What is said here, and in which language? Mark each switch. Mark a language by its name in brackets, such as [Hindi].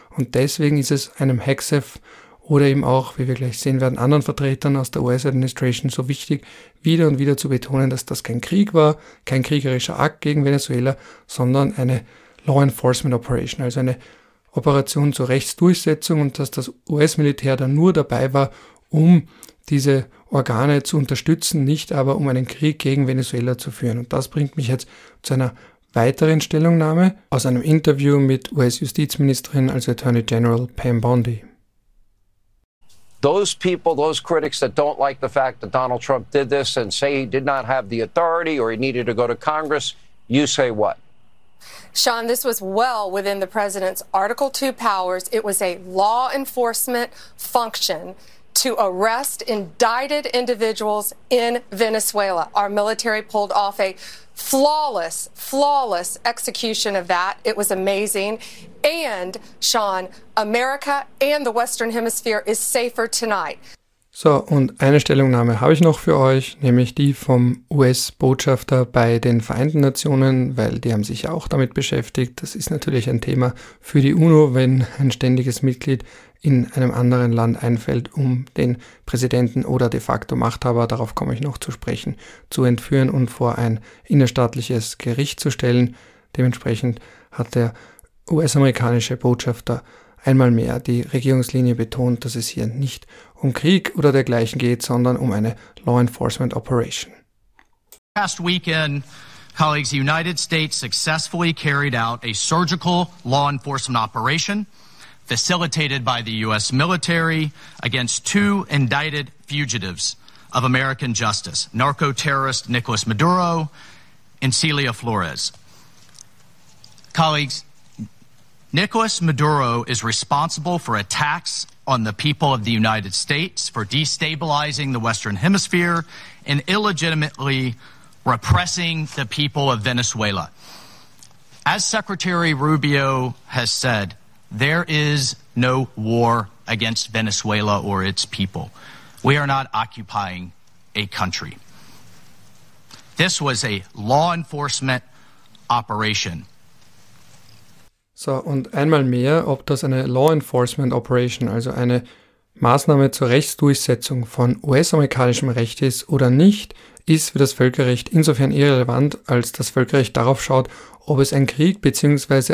[German] Und deswegen ist es einem Hexef oder eben auch, wie wir gleich sehen werden, anderen Vertretern aus der US-Administration so wichtig, wieder und wieder zu betonen, dass das kein Krieg war, kein kriegerischer Akt gegen Venezuela, sondern eine Law Enforcement Operation, also eine Operation zur Rechtsdurchsetzung und dass das US-Militär dann nur dabei war, um diese Organe zu unterstützen, nicht aber um einen Krieg gegen Venezuela zu führen. Und das bringt mich jetzt zu einer weiteren Stellungnahme aus einem Interview mit US-Justizministerin, also Attorney General Pam Bondi. [English] Those people, those critics that don't like the fact that Donald Trump did this and say he did not have the authority or he needed to go to Congress, you say what? Sean, this was well within the president's Article II powers. It was a law enforcement function to arrest indicted individuals in Venezuela. Our military pulled off a flawless, flawless execution of that. It was amazing. And, Sean, America and the Western Hemisphere is safer tonight. [German] So, und eine Stellungnahme habe ich noch für euch, nämlich die vom US-Botschafter bei den Vereinten Nationen, weil die haben sich ja auch damit beschäftigt. Das ist natürlich ein Thema für die UNO, wenn ein ständiges Mitglied in einem anderen Land einfällt, um den Präsidenten oder de facto Machthaber, darauf komme ich noch zu sprechen, zu entführen und vor ein innerstaatliches Gericht zu stellen. Dementsprechend hat der US-amerikanische Botschafter einmal mehr die Regierungslinie betont, dass es hier nicht um Krieg oder dergleichen geht, sondern um eine Law Enforcement Operation. [English] Last weekend, colleagues, the United States successfully carried out a surgical law enforcement operation facilitated by the US military against two indicted fugitives of American justice, narco-terrorist Nicolas Maduro and Celia Flores. Colleagues, Nicolas Maduro is responsible for attacks on the people of the United States, for destabilizing the Western Hemisphere, and illegitimately repressing the people of Venezuela. As Secretary Rubio has said, there is no war against Venezuela or its people. We are not occupying a country. This was a law enforcement operation. [German] So, und einmal mehr, ob das eine Law Enforcement Operation, also eine Maßnahme zur Rechtsdurchsetzung von US-amerikanischem Recht ist oder nicht, ist für das Völkerrecht insofern irrelevant, als das Völkerrecht darauf schaut, ob es ein Krieg bzw.